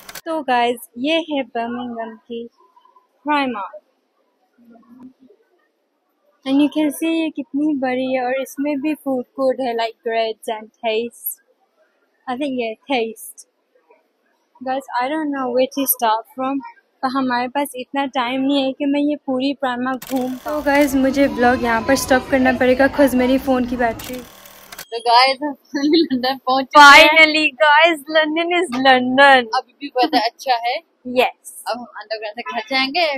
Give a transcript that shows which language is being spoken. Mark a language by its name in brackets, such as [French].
[Hindi] So guys, ye hai Birmingham ki Primark. [English] And you can see [Hindi] ये कितनी बड़ी है और इसमें भी food court है [English] like grades and taste. I think yeah taste. Guys, I don't know where to start from. [Hindi] पर हमारे पास इतना time नहीं है कि मैं ये पूरी Primark घूम. So guys, मुझे vlog यहाँ पर stop करना पड़ेगा cause मेरी phone की battery. So guys, London पहुँच गए. [English] Finally guys, London is London. [Hindi] अभी भी weather अच्छा है. [English] Yes. [Hindi] अब हम underground से घर जाएंगे